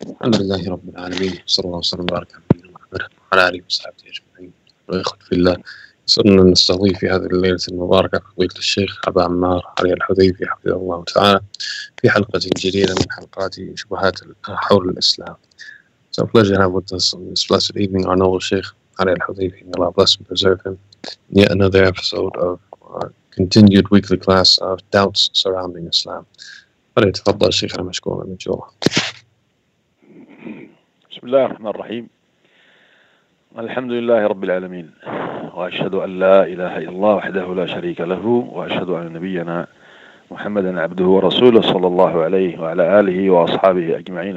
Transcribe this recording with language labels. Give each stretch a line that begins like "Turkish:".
Arabic: الحمد لله رب العالمين، صلى الله وسلم وبارك على نبينا محمد وعلى اله وصحبه اجمعين. واخوة في الله، صرنا نستضيف في هذه الليلة المباركة فضيلة الشيخ أبا عمار علي الحذيفي حفظه الله تعالى في حلقة جديدة من حلقات شبهات حول الإسلام.
English: It's a pleasure to have with us on this blessed evening our noble Sheikh علي الحذيفي. May Allah bless and preserve him. Yet another episode of our continued weekly class of doubts surrounding Islam.
Arabic: فليتفضل الشيخ، أنا مشكور من جوه. بسم الله الرحمن الرحيم. الحمد لله رب العالمين، وأشهد أن لا إله إلا الله وحده لا شريك له، وأشهد أن نبينا محمدا عبده ورسوله صلى الله عليه وعلى آله وأصحابه أجمعين.